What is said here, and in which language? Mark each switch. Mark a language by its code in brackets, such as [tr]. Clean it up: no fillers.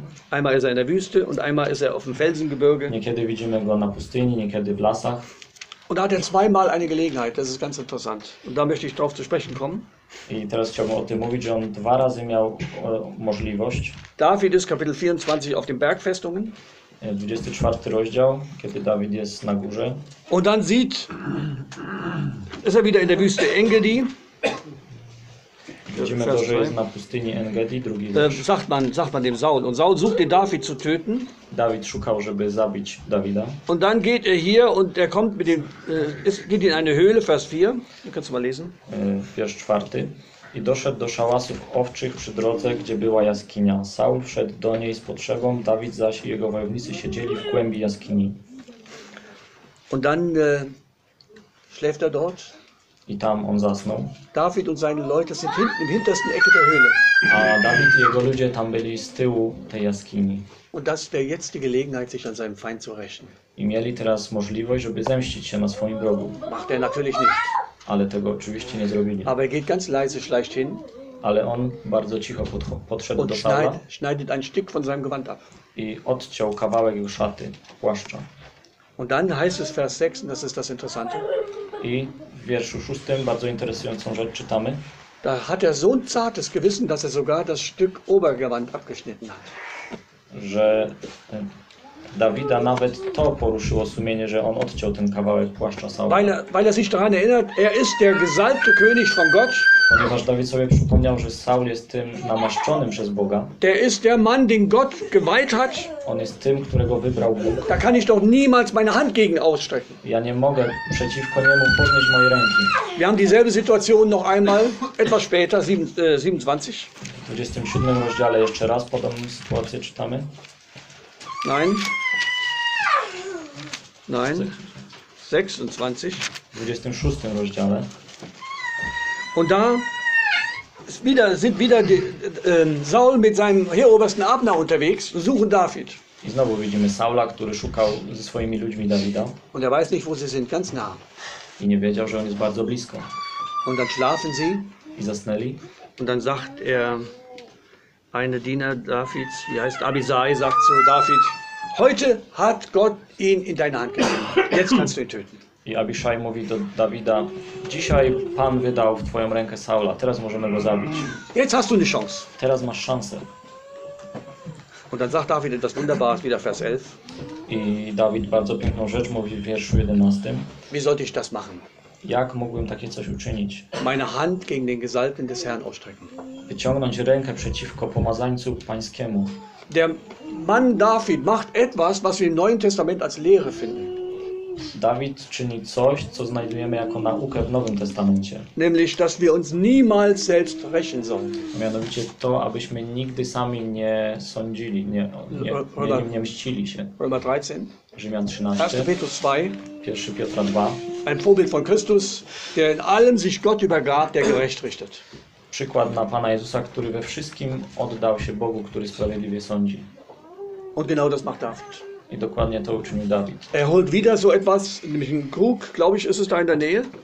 [de] Einmal ist er in der Wüste und einmal ist er auf dem Felsengebirge. [pl] Niekiedy widzimy go na pustyni, niekiedy w lasach. [de] Und da hat er zweimal eine Gelegenheit, das ist ganz interessant. Und da möchte ich drauf zu sprechen kommen. [pl] I teraz chciałbym o tym mówić, że on dwa razy miał możliwość. [de] David ist Kapitel 24 auf den Bergfestungen. [pl] 24 rozdział, kiedy Dawid jest na górze. [de] Und dann sieht, ist er wieder in der Wüste Engedi. [pl] Widzimy to, że jest na pustyni Engedi, drugi wiersz. [de] Sagt man dem Saul. Und Saul sucht den David zu töten. [pl] Dawid szukał, żeby zabić Dawida. [de] Und dann geht er hier und er kommt mit dem, geht in eine Höhle, Vers 4. Du kannst mal lesen. [pl] Wiersz 4. I doszedł do szałasów owczych przy drodze, gdzie była jaskinia. Saul wszedł do niej z potrzebą, Dawid zaś i jego wojownicy siedzieli w głębi jaskini. [de] Und dann schläft er dort. [pl] I tam on zasnął. [de] David und seine Leute sind hinten im hintersten Ecke der Höhle. [pl] A Dawid i jego ludzie tam byli z tyłu tej jaskini. [de] Und das wäre jetzt die Gelegenheit, sich an seinem Feind zu rächen. [pl] I mieli teraz możliwość, żeby zemścić się na swoim wrogu. [de] Macht er natürlich nicht. [pl] Ale tego oczywiście nie zrobili. [de] Aber er geht ganz leise, schleicht hin. [pl] Ale on bardzo cicho podszedł do Saula. [de] Schneidet ein Stück von seinem Gewand ab. [pl] I odciął kawałek jego szaty, płaszcza. [de] Und dann heißt es Vers 6, und das ist das Interessante. [pl] I w wierszu 6 bardzo interesującą rzecz czytamy. [de] Da hat er so ein zartes Gewissen, dass er sogar das Stück Obergewand abgeschnitten hat. [pl] Że Dawida nawet to poruszyło sumienie, że on odciął ten kawałek płaszcza Saula. [de] Weil er sich daran erinnert, er ist der gesalbte König von Gott. [pl] Ponieważ Dawid sobie przypomniał, że Saul jest tym namaszczonym przez Boga. [de] Der ist der Mann, den Gott geweiht hat. [pl] On jest tym, którego wybrał Bóg. [de] Da kann ich doch niemals meine Hand gegen ausstrecken. [pl] Ja nie mogę przeciwko niemu podnieść mojej ręki. [de] Wir haben dieselbe Situation noch einmal, etwas später, 27. [pl] W 27 rozdziale jeszcze raz podobną sytuację czytamy. [de] Nein. 26. [pl] W 26 rozdziale. [de] Und da sind wieder Saul mit seinem Heerobersten Abner unterwegs und suchen David. [pl] I znowu widzimy Saula, który szukał ze swoimi ludźmi Dawida. [de] Und er weiß nicht, wo sie sind, ganz nah. [pl] I nie wiedział, że on jest bardzo blisko. [de] Und dann schlafen sie. [pl] I zasnęli. [de] Und dann sagt er eine Diener Davids, wie heißt Abisai, sagt zu David, heute hat Gott ihn in deine Hand gegeben. Jetzt kannst du ihn töten. [pl] I Abishai mówi do Dawida, dzisiaj Pan wydał w Twoją rękę Saula, teraz możemy go zabić. [de] Jetzt hast du eine Chance. [pl] Teraz masz szansę. [de] Und dann sagt David etwas Wunderbares, wieder Vers 11. [pl] I Dawid bardzo piękną rzecz mówi w wierszu 11. [de] Wie sollte ich das machen? [pl] Jak mógłbym takie coś uczynić? [de] Meine Hand gegen den Gesalbten des Herrn ausstrecken. [pl] Wyciągnąć rękę przeciwko pomazańcu pańskiemu. [de] Der Mann David macht etwas, was wir im Neuen Testament als Lehre finden. [pl] Dawid czyni coś, co znajdujemy jako naukę w Nowym Testamencie. [de] Nämlich, dass wir uns niemals selbst rächen sollen. [pl] Mianowicie to, abyśmy nigdy sami nie sądzili, nie mścili się. [de] Römer 13. [pl] Rzymian 13. [de] 1. Petrus 2. [pl] 1. Piotra 2. [de] Ein Vorbild von Christus, der in allem sich Gott übergab, der gerecht richtet. [pl] Przykład na Pana Jezusa, który we wszystkim oddał się Bogu, który sprawiedliwie sądzi. [de] Und genau das macht David. [pl] I dokładnie to uczynił Dawid. [de] Er holt wieder so etwas, nämlich einen Krug, glaube ich, ist es da in der Nähe?